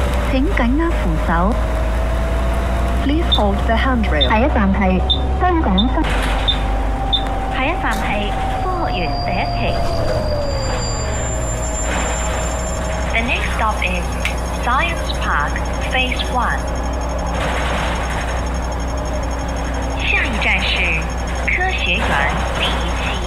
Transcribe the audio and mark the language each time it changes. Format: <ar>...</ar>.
<zh>请紧握扶手。</zh> <en>Please hold the handrail.</en> <zh>下一站是香港西。下一站是科学园第一期。</zh> <en>The next stop is Science Park Phase 1.</en> <zh>下一站是科学园第一期。</zh>